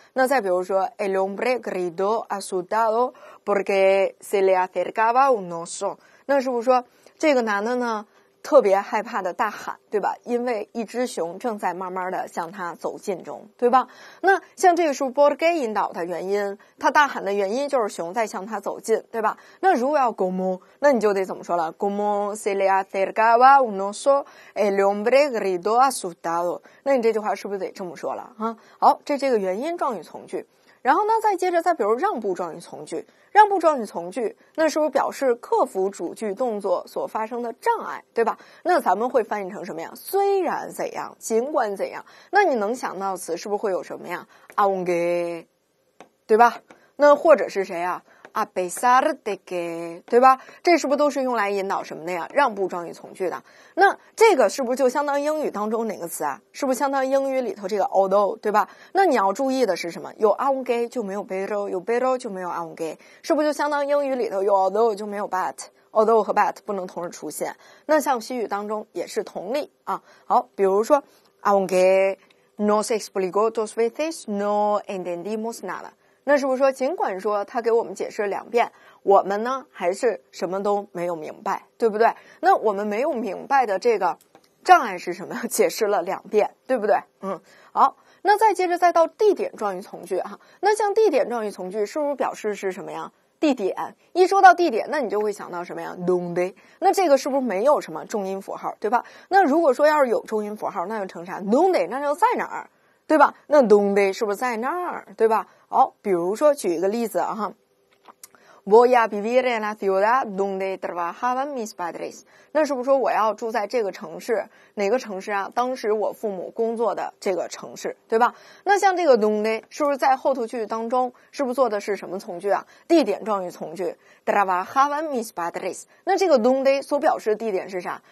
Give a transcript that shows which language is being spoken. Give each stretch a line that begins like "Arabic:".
Chinese: 那再比如说
Spanish: el hombre gritó asustado porque se le acercaba un oso，
Chinese: 那是不是说这个男的呢特别害怕的大喊，对吧？因为一只熊正在慢慢的向他走近中，对吧？那像这个是 porque 引导的原因，他大喊的原因就是熊在向他走近，对吧？那如果要 como， 那你就得怎么说了？
Spanish: como se le acercaba un oso el hombre gritó asustado，
Chinese: 那你这句话是不是得这么说了啊？好，这个原因状语从句。然后呢，再接着再比如让步状语从句，让步状语从句，那是不是表示克服主句动作所发生的障碍，对吧？那咱们会翻译成什么呀？虽然怎样，尽管怎样。那你能想到词是不是会有什么呀？ aunque， 对吧？那或者是谁呀？ a pesar de que， 对吧？这是不是都是用来引导什么的呀？让步状语从句的。那这个是不是就相当于英语当中哪个词啊？是不是相当于英语里头这个 although， 对吧？那你要注意的是什么？有 aunque 就没有 pero， 有 pero 就没有 aunque， 是不是就相当于英语里头有 although 就没有 but， although 和 but 不能同时出现。那像西语当中也是同理啊。好，比如说
Spanish: aunque nos explicó dos veces no entendimos nada，
Chinese: 那是不是说尽管说他给我们解释了两遍，我们呢还是什么都没有明白，对不对？那我们没有明白的这个障碍是什么？解释了两遍，对不对？嗯，好，那再接着再到地点状语从句哈。那像地点状语从句是不是表示是什么呀？地点。一说到地点，那你就会想到什么呀？donde。那这个是不是没有什么重音符号，对吧？那如果说要是有重音符号，那就成啥？ donde， 那就在哪儿，对吧？那 donde 是不是在那儿，对吧？好，比如说举一个例子啊，
Spanish: Voy a vivir en la ciudad donde trabajaban mis padres.
Chinese: 那是不是说我要住在这个城市？哪个城市啊？当时我父母工作的这个城市，对吧？那像这个 donde 是不是在后头句当中，是不是做的是什么从句啊？地点状语从句。
Spanish: Trabajaban mis padres。
Chinese: 那这个 donde 所表示的地点是啥？